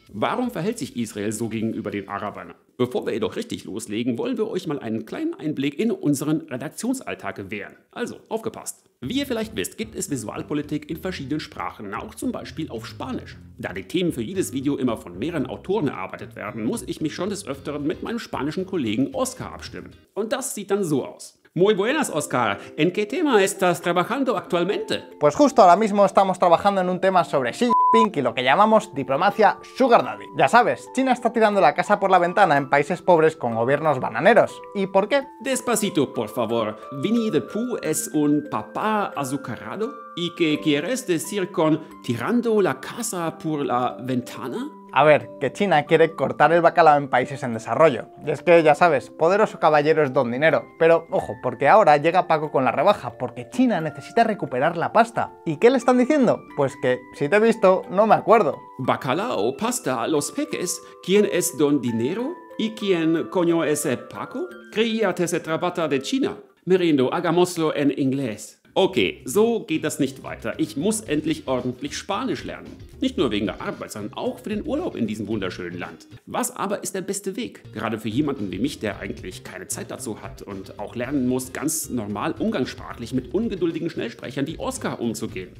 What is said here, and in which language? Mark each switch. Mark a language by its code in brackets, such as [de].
[de] Warum verhält sich Israel so gegenüber den Arabern? Bevor wir jedoch richtig loslegen, wollen wir euch mal einen kleinen Einblick in unseren Redaktionsalltag gewähren. Also, aufgepasst! Wie ihr vielleicht wisst, gibt es Visualpolitik in verschiedenen Sprachen, auch zum Beispiel auf Spanisch. Da die Themen für jedes Video immer von mehreren Autoren erarbeitet werden, muss ich mich schon des Öfteren mit meinem spanischen Kollegen Oscar abstimmen. Und das sieht dann so aus. [es] Muy buenas, Oscar. ¿En qué tema estás trabajando actualmente? Pues justo ahora mismo estamos trabajando en un tema sobre Xi Jinping y lo que llamamos diplomacia sugar daddy. Ya sabes, China está tirando la casa por la ventana en países pobres con gobiernos bananeros. ¿Y por qué? Despacito, por favor. ¿Winnie the Pooh es un papá azucarado? ¿Y qué quieres decir con tirando la casa por la ventana? A ver, que China quiere cortar el bacalao en países en desarrollo. Y es que, ya sabes, poderoso caballero es don dinero. Pero, ojo, porque ahora llega Paco con la rebaja, porque China necesita recuperar la pasta. ¿Y qué le están diciendo? Pues que, si te he visto, no me acuerdo. ¿Bacalao, pasta, los peques? ¿Quién es don dinero? ¿Y quién coño es Paco? Creía que se trataba de China. Me rindo, hagámoslo en inglés. [de] Okay, so geht das nicht weiter. Ich muss endlich ordentlich Spanisch lernen. Nicht nur wegen der Arbeit, sondern auch für den Urlaub in diesem wunderschönen Land. Was aber ist der beste Weg? Gerade für jemanden wie mich, der eigentlich keine Zeit dazu hat und auch lernen muss, ganz normal umgangssprachlich mit ungeduldigen Schnellsprechern wie Oscar umzugehen.